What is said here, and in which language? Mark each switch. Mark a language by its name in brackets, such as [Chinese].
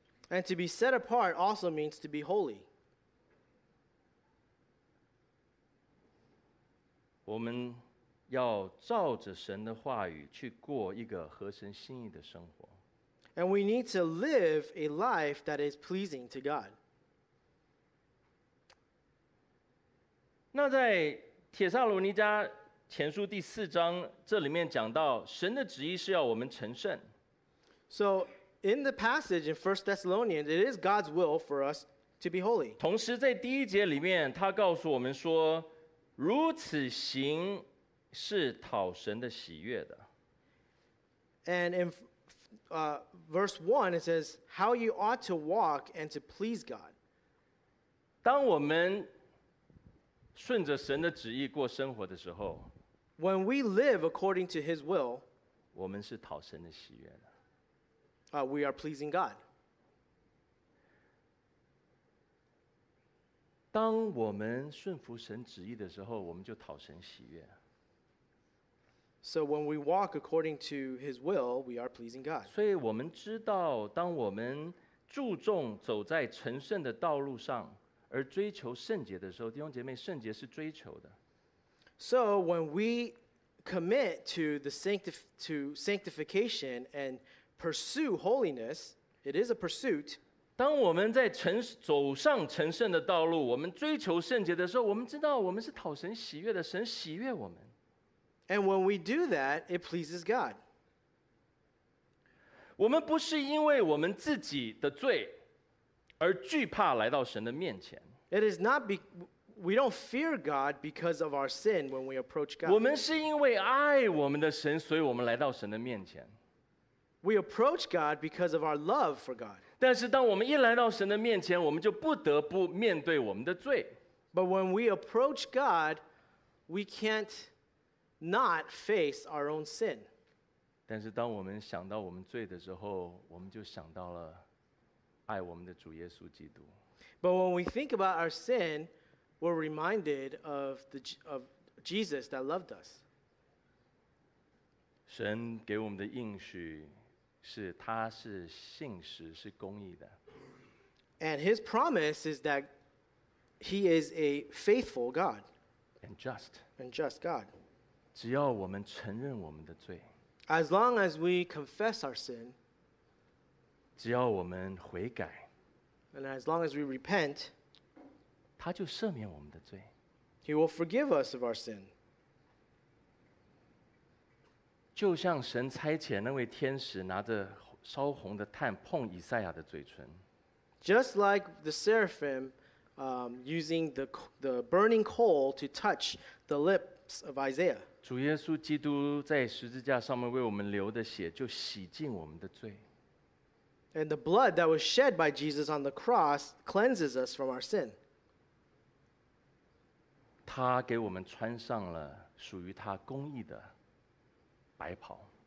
[English] And to be set apart also means to be holy. [Chinese] 我们要照着神的话语去过一个合神心意的生活。 [English] And we need to live a life that is pleasing to God. [Chinese] 那在帖撒罗尼迦前书第四章，这里面讲到神的旨意是要我们成圣。 [English] So in the passage in 1 Thessalonians, it is God's will for us to be holy. [Chinese] 同时在第一节里面，他告诉我们说，如此行是讨神的喜悦的。 [English] And in verse 1, it says, how you ought to walk and to please God. [Chinese] 当我们顺着神的旨意过生活的时候， [English] when we live according to His will, [Chinese] 我们是讨神的喜悦的。 [English] We are pleasing God. [Chinese] 当我们顺服神旨意的时候，我们就讨神喜悦。 [English] So when we walk according to His will, we are pleasing God. [Chinese] 所以我们知道，当我们注重走在成圣的道路上，而追求圣洁的时候，弟兄姐妹，圣洁是追求的。 [English] So when we commit to sanctification and pursue holiness, it is a pursuit. [Chinese] 当我们在走上成圣的道路，我们追求圣洁的时候，我们知道我们是讨神喜悦的，神喜悦我们。 [English] And when we do that, it pleases God. [Chinese] 我们不是因为我们自己的罪而惧怕来到神的面前。 [English] It is not we don't fear God because of our sin when we approach God. [Chinese] 我们是因为爱我们的神，所以我们来到神的面前。 [English] We approach God because of our love for God. [Chinese] 但是当我们一来到神的面前，我们就不得不面对我们的罪。 [English] But when we approach God, we can't not face our own sin. [Chinese] 但是当我们想到我们罪的时候，我们就想到了爱我们的主耶稣基督。 [English] But when we think about our sin, we're reminded of Jesus that loved us. [Chinese] 神给我们的应许是他是信实，是公义的。 [English] And His promise is that He is a faithful God. And just. And just God. [Chinese] 只要我们承认我们的罪。 [English] As long as we confess our sin. [Chinese] 只要我们悔改。 [English] And as long as we repent, [Chinese] 他就赦免我们的罪。 [English] He will forgive us of our sin. [Chinese] 就像神差遣那位天使拿着烧红的炭碰以赛亚的嘴唇。 [English] Just like the seraphim, using the burning coal to touch the lips of Isaiah. [Chinese] 主耶稣基督在十字架上面为我们流的血就洗净我们的罪。 [English] And the blood that was shed by Jesus on the cross cleanses us from our sin. [Chinese] 他给我们穿上了属于他公义的白袍。